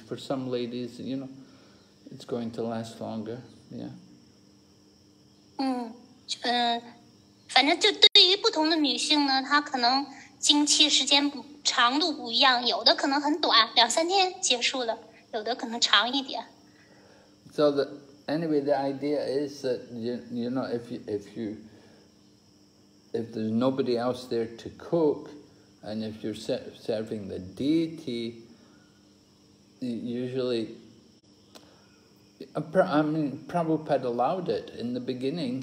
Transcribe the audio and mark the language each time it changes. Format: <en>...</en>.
<en>For some ladies, you know, it's going to last longer. Yeah.</en> <zh>反正就对于不同的女性呢，她可能经期时间长度不一样，有的可能很短，两三天结束了，有的可能长一点。</zh> <en>So the idea is that you know if there's nobody else there to cook, And if you're serving the deity, usually, I mean, Prabhupada allowed it in the beginning.</en>